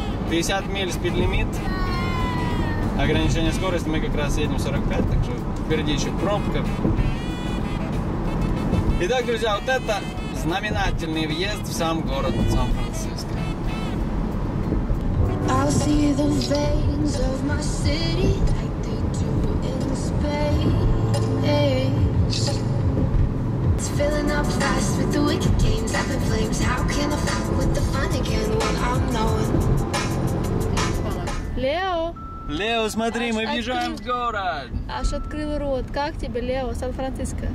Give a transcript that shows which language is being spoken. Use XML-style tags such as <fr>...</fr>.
<ru>50 миль спид-лимит, ограничение скорости, мы как раз едем 45, так что впереди еще пробка. Итак, друзья, вот это знаменательный въезд в сам город Сан-Франциско.</ru> <en>I'll see the veins of my city like they do in space. It's filling up fast with the wicked games and the flames. How can I fight with the fun again when I'm known?</en> <ru>Лео! Лео, смотри, мы въезжаем в город! Аж открыл рот. Как тебе, Лео, Сан-Франциско?</ru>